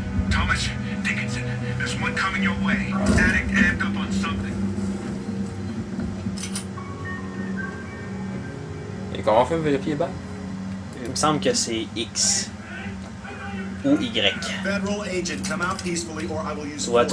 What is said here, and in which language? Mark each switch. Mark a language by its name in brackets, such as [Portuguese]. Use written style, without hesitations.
[English] Thomas Dickinson, there's one coming your way. Static amped up on something. [French] Et comment on fait vérifier les balles? Il me semble que c'est X ou Y. [English] Federal agent, come out peacefully or I will use force.